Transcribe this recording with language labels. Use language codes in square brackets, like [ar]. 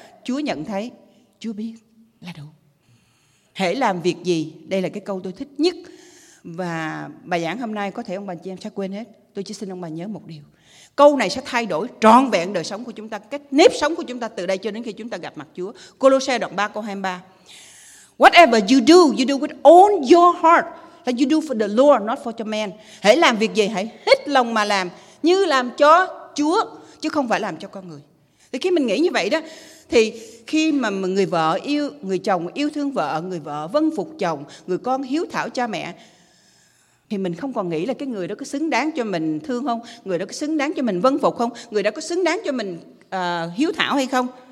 [vi] Chúa nhận thấy, Chúa biết là đủ. Hễ làm việc gì, đây là cái câu tôi thích nhất. Và bài giảng hôm nay có thể ông bà chị em sẽ quên hết. Tôi chỉ xin ông bà nhớ một điều. Câu này sẽ thay đổi trọn vẹn đời sống của chúng ta, cách nếp sống của chúng ta từ đây cho đến khi chúng ta gặp mặt Chúa. Colossae đoạn 3 câu 23. [en] Whatever you do with all your heart. That you do for the Lord, not for the man. [vi] Hãy làm việc gì, hãy hết lòng mà làm, như làm cho Chúa, chứ không phải làm cho con người. Thì khi mình nghĩ như vậy đó, thì khi mà người vợ yêu, người chồng yêu thương vợ, người vợ vâng phục chồng, người con hiếu thảo cha mẹ, thì mình không còn nghĩ là cái người đó có xứng đáng cho mình thương không, người đó có xứng đáng cho mình vâng phục không, người đó có xứng đáng cho mình hiếu thảo hay không.